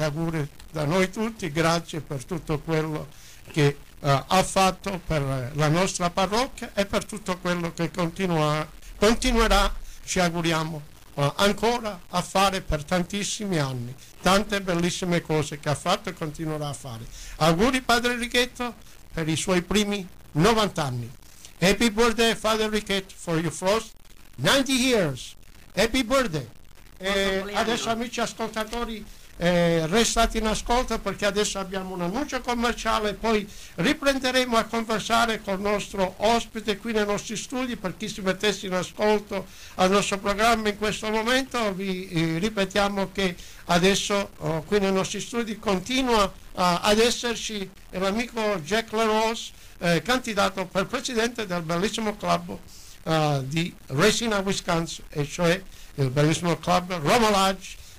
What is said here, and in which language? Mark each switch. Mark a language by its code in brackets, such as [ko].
[it] Auguri da noi tutti, grazie per tutto quello che ha fatto per la nostra parrocchia e per tutto quello che continuerà, ci auguriamo ancora a fare per tantissimi anni, tante bellissime cose che ha fatto e continuerà a fare. Auguri Padre Righetto per i suoi primi 90 anni. [en] Happy birthday Father Righetto for your first 90 years. Happy birthday. [it] E adesso amici ascoltatori, restate in ascolto, perché adesso abbiamo un annuncio commerciale, poi riprenderemo a conversare con il nostro ospite qui nei nostri studi. Per chi si mettesse in ascolto al nostro programma in questo momento, vi ripetiamo che adesso qui nei nostri studi continua ad esserci l'amico Jack LaRose, candidato per presidente del bellissimo club di Racine, Wisconsin, e cioè il bellissimo club Roma Lodge.